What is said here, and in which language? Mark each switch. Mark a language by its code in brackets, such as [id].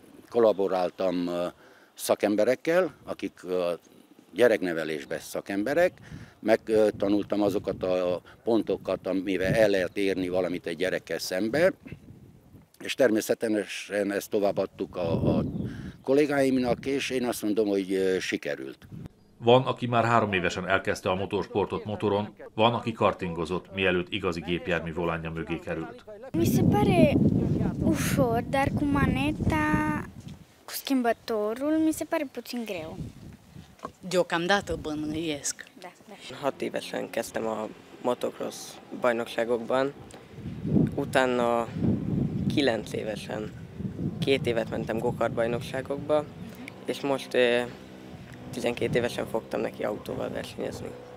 [hu] kollaboráltam szakemberekkel, akik gyereknevelésben szakemberek, megtanultam azokat a pontokat, amivel el lehet érni valamit egy gyerekkel szembe, és természetesen ezt továbbadtuk a kollégáimnak, és én azt mondom, hogy sikerült. Van, aki már 3 évesen elkezdte a motorsportot motoron, van, aki kartingozott, mielőtt igazi gépjármű volánja mögé került. [ro] Mi se pare ușor, dar cu maneta, cu schimbătorul, mi se pare puțin greu. Deocamdată bănuiesc. [hu] 6 évesen kezdtem a motocross bajnokságokban, utána 9 évesen 2 évet mentem go-kart bajnokságokba, és most 12 évesen fogtam neki autóval versenyezni.